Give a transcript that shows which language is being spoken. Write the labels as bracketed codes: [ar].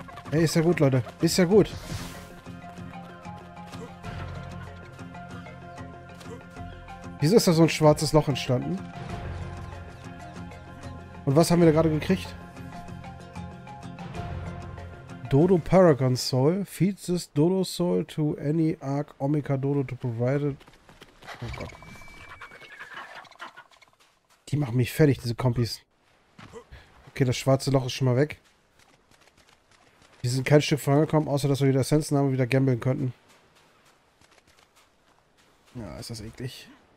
[de] Ey, ist ja gut, Leute. Ist ja gut. Wieso ist da so ein schwarzes Loch entstanden? Und was haben wir da gerade gekriegt? [en] Dodo Paragon Soul. Feeds this Dodo Soul to any Arc Omega Dodo to provide it. [de] Oh Gott. Die machen mich fertig, diese Kompis. Okay, das schwarze Loch ist schon mal weg. Wir sind kein Stück vorangekommen, außer dass wir wieder Essenzen haben und wieder gambeln könnten. Ja, ist das eklig.